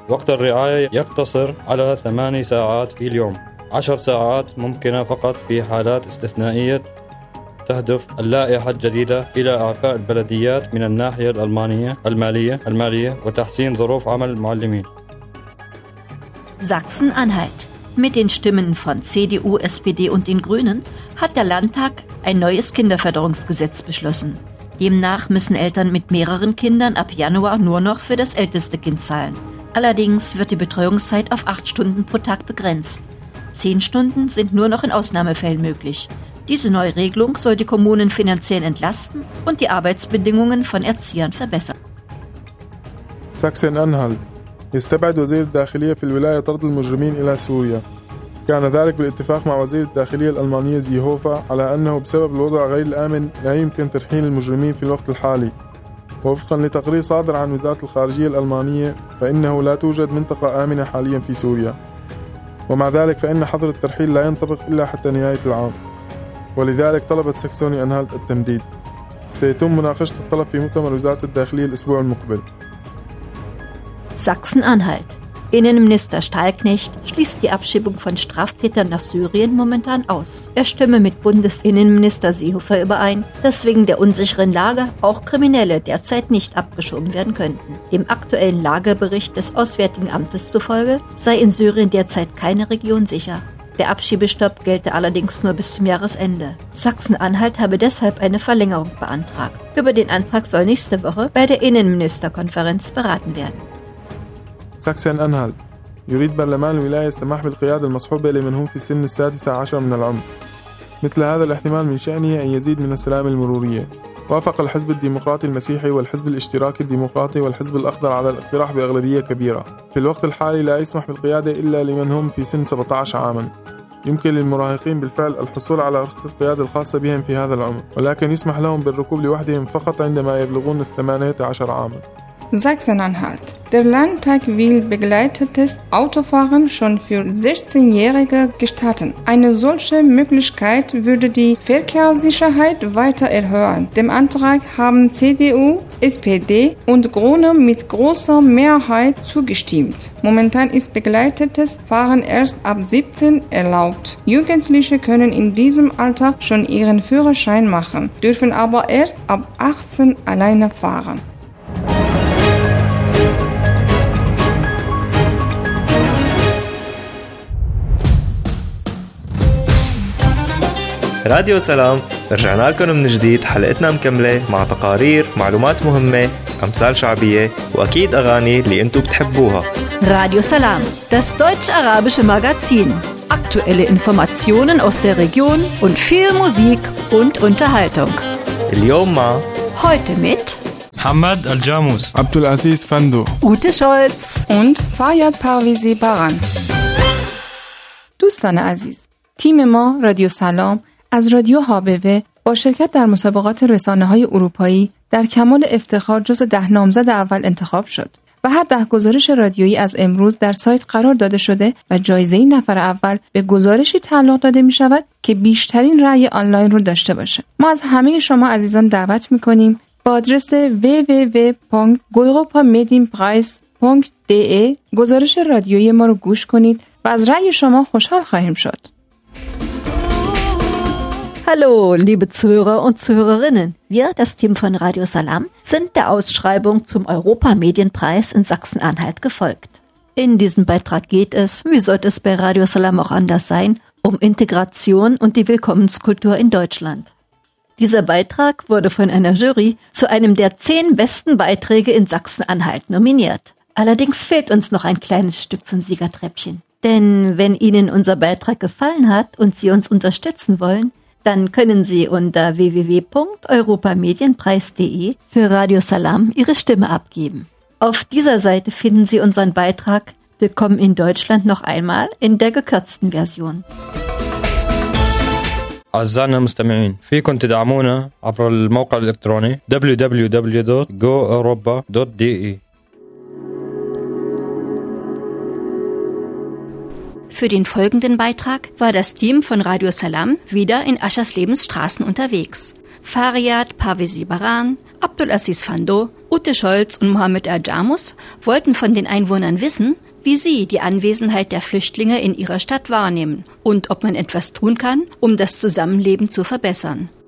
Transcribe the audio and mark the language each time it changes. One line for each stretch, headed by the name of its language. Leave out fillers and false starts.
Arabic: وقت الرعاية يقتصر على 8 ساعات في اليوم، 10 ساعات ممكنة فقط في حالات استثنائية. تهدف اللائحة الجديدة إلى إعفاء البلديات من الناحية الألمانية المالية وتحسين ظروف عمل المعلمين.
German: Sachsen-Anhalt. Mit den Stimmen von CDU, SPD und den Grünen hat der Landtag ein neues Kinderförderungsgesetz beschlossen. Demnach müssen Eltern mit mehreren Kindern ab Januar nur noch für das älteste Kind zahlen. Allerdings wird die Betreuungszeit auf 8 Stunden pro Tag begrenzt. 10 Stunden sind nur noch in Ausnahmefällen möglich. Diese neue Regelung soll die Kommunen finanziell entlasten und die Arbeitsbedingungen von Erziehern verbessern. Sachsen-Anhalt.
Arabic: يستبعد وزير الداخلية في الولاية طرد المجرمين إلى سوريا. كان ذلك بالاتفاق مع وزير الداخلية الألمانية زيهوفا على أنه بسبب الوضع غير الآمن لا يمكن ترحيل المجرمين في الوقت الحالي. وفقا لتقرير صادر عن وزارة الخارجية الألمانية فإنه لا توجد منطقة آمنة حاليا في سوريا. ومع ذلك فإن حظر الترحيل لا ينطبق إلا حتى نهاية العام. ولذلك طلبت ساكسوني أنهالت التمديد. سيتم مناقشة الطلب في مؤتمر وزارة الداخلية الأسبوع المقبل.
German: Sachsen-Anhalt. Innenminister Stahlknecht schließt die Abschiebung von Straftätern nach Syrien momentan aus. Er stimme mit Bundesinnenminister Seehofer überein, dass wegen der unsicheren Lage auch Kriminelle derzeit nicht abgeschoben werden könnten. Dem aktuellen Lagebericht des Auswärtigen Amtes zufolge sei in Syrien derzeit keine Region sicher. Der Abschiebestopp gelte allerdings nur bis zum Jahresende. Sachsen-Anhalt habe deshalb eine Verlängerung beantragt. Über den Antrag soll nächste Woche bei der Innenministerkonferenz beraten werden. Sachsen-Anhalt.
Arabic: يريد برلمان الولاية السماح بالقيادة المصحوبة لمن هم في سن 16 من العمر. مثل هذا الاحتمال من شأنه أن يزيد من السلامة المرورية. وافق الحزب الديمقراطي المسيحي والحزب الاشتراكي الديمقراطي والحزب الأخضر على الاقتراح بأغلبية كبيرة. في الوقت الحالي لا يسمح بالقيادة إلا لمن هم في سن 17 عاما. يمكن للمراهقين بالفعل الحصول على رخصة القيادة الخاصة بهم في هذا العمر، ولكن يسمح لهم بالركوب لوحدهم فقط عندما يبلغون 18 عاما.
German: Sachsen-Anhalt. Der Landtag will begleitetes Autofahren schon für 16-Jährige gestatten. Eine solche Möglichkeit würde die Verkehrssicherheit weiter erhöhen. Dem Antrag haben CDU, SPD und Grüne mit großer Mehrheit zugestimmt. Momentan ist begleitetes Fahren erst ab 17 erlaubt. Jugendliche können in diesem Alter schon ihren Führerschein machen, dürfen aber erst ab 18 alleine fahren.
Arabic: راديو سلام، رجعنا لكم من جديد. حلقتنا مكملة مع تقارير، معلومات مهمة، أمثال شعبية وأكيد أغاني اللي أنتوا بتحبوها.
German: راديو سلام، das deutsch-arabische Magazin. Aktuelle Informationen aus der Region und viel Musik und Unterhaltung.
Arabic: اليوم مع
German: heute mit
Arabic: محمد الجاموس، عبد العزيز فندو،
German: Ute Scholz und Fayad Parvizi Baran.
Persian: دوستان عزیز، تیم ما رادیو سلام از رادیو هابوه با شرکت در مسابقات رسانه‌های اروپایی در کمال افتخار جزو 10 نامزد اول انتخاب شد و هر 10 گزارش رادیویی از امروز در سایت قرار داده شده و جایزه این نفر اول به گزارشی تعلق داده می شود که بیشترین رأی آنلاین رو داشته باشه. ما از همه شما عزیزان دعوت می کنیم با آدرس www.goyropamedienpreis.de گزارش رادیویی ما رو گوش کنید و از رأی شما خوشحال خواهیم شد.
German: Hallo, liebe Zuhörer und Zuhörerinnen. Wir, das Team von Radio Salam, sind der Ausschreibung zum Europa-Medienpreis in Sachsen-Anhalt gefolgt. In diesem Beitrag geht es, wie sollte es bei Radio Salam auch anders sein, um Integration und die Willkommenskultur in Deutschland. Dieser Beitrag wurde von einer Jury zu einem der 10 besten Beiträge in Sachsen-Anhalt nominiert. Allerdings fehlt uns noch ein kleines Stück zum Siegertreppchen. Denn wenn Ihnen unser Beitrag gefallen hat und Sie uns unterstützen wollen, dann können Sie unter www.europamedienpreis.de für Radio Salam Ihre Stimme abgeben. Auf dieser Seite finden Sie unseren Beitrag Willkommen in Deutschland noch einmal in der gekürzten Version.
Arabic: أعزائنا المستمعين فيكم تدعمونا عبر الموقع الإلكتروني www.goeuropa.de.
German: Für den folgenden Beitrag war das Team von Radio Salam wieder in Aschers-Lebensstraßen unterwegs. Fariad Pavesi Baran, Abdulaziz Fando, Ute Scholz und Mohammed Erjamus wollten von den Einwohnern wissen, wie sie die Anwesenheit der Flüchtlinge in ihrer Stadt wahrnehmen und ob man etwas tun kann, um das Zusammenleben zu verbessern.